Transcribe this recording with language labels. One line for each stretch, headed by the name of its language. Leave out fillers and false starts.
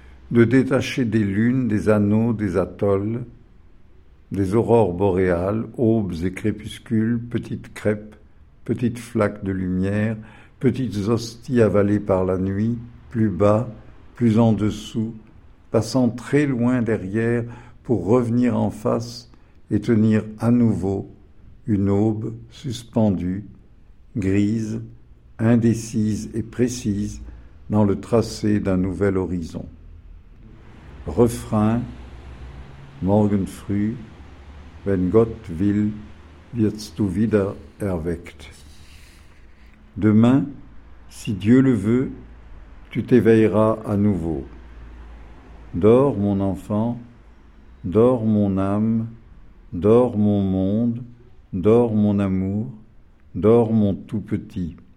French: de détacher des lunes, des anneaux, des atolls, des aurores boréales, aubes et crépuscules, petites crêpes, petites flaques de lumière, petites hosties avalées par la nuit, plus bas, plus en dessous, passant très loin derrière pour revenir en face et tenir à nouveau une aube suspendue, grise, indécise et précise dans le tracé d'un nouvel horizon.
German: Refrain, Morgenfrüh, wenn Gott will, wirst du wieder erweckt.
French: Demain, si Dieu le veut, tu t'éveilleras à nouveau. Dors, mon enfant, dors, mon âme, dors, mon monde, dors, mon amour, dors, mon tout petit.